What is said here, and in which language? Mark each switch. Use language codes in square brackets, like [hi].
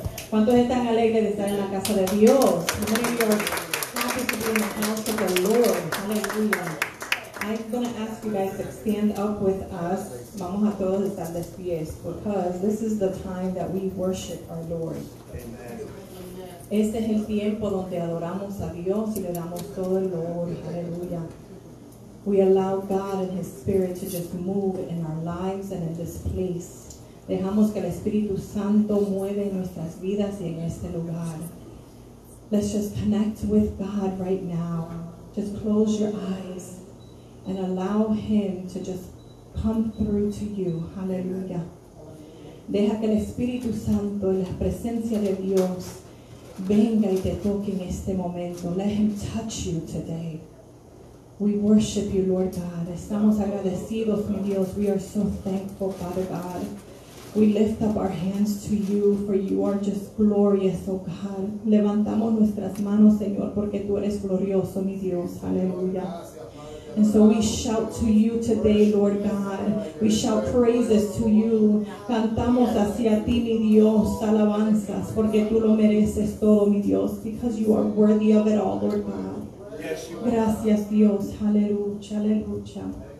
[es] ¿Cuántos están alegres de estar en la casa de Dios? [en] How many of you are happy to be in the house of the Lord? Hallelujah. I'm going to ask you guys to stand up with us. [es] Vamos a todos estar de pie, [en] because this is the time that we worship our Lord. [es] Este es el tiempo donde adoramos a Dios y le damos todo el honor. Aleluya. [en] We allow God and His Spirit to just move in our lives and in this place. [es] Dejamos que el Espíritu Santo mueva en nuestras vidas y en este lugar. [en] Let's just connect with God right now. Just close your eyes and allow Him to just come through to you. Hallelujah. [es] Deja que el Espíritu Santo y la presencia de Dios venga y te toque en este momento. [en] Let Him touch you today. We worship you, Lord God. [es] Estamos agradecidos, mi Dios. [en] We are so thankful, Father God. We lift up our hands to you, for you are just glorious, oh God. [es] Levantamos nuestras manos, Señor, porque tú eres glorioso, mi Dios. [en] Hallelujah. And so we shout to you today, Lord God. We shout praises to you. [es] Cantamos hacia ti, mi Dios, alabanzas, porque tú lo mereces todo, mi Dios, [en] because you are worthy of it all, Lord God. [es] Gracias, Dios. Hallelujah. Hallelujah.